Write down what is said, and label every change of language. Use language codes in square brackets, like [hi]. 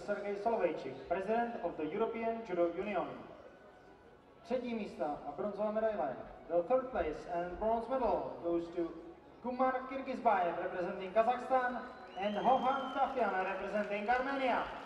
[en] Sergei Soloveitchik, President of the European Judo Union. [cs] Třetí místa a bronzová medaile. [en] The third place and bronze medal goes to Gumar Kirgizbayev representing Kazakhstan and Hohan Tafian representing Armenia.